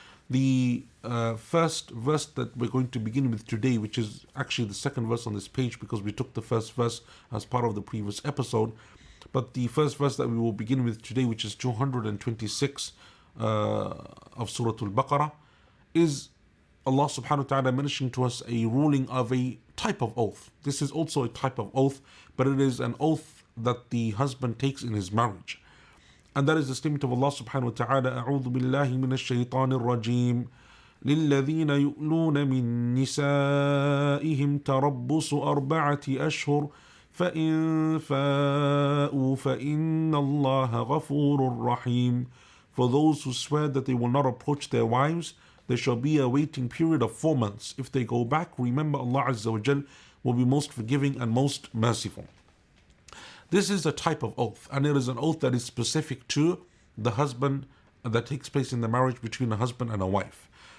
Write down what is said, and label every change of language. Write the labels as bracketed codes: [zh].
[en] The first verse that we're going to begin with today, which is actually the second verse on this page because we took the first verse as part of the previous episode, but the first verse that we will begin with today, which is 226 of Surah Al-Baqarah, is Allah subhanahu wa ta'ala mentioning to us a ruling of a type of oath. This is also a type of oath, but it is an oath that the husband takes in his marriage. And that is the statement of Allah subhanahu wa ta'ala, [ar] أَعُوذُ بِاللَّهِ مِنَ الشَّيْطَانِ الرَّجِيمِ لِلَّذِينَ يُؤْلُونَ مِن نِسَائِهِمْ تَرَبُّصُ أَرْبَعَةِ أَشْهُرٍ فَإِنْ فَاءُوا فَإِنَّ اللَّهَ غَفُورٌ رَّحِيمٌ. [en] For those who swear that they will not approach their wives, there shall be a waiting period of 4 months. If they go back, remember Allah Azza wa Jal will be most forgiving and most merciful. This is a type of oath, and it is an oath that is specific to the husband that takes place in the marriage between a husband and a wife.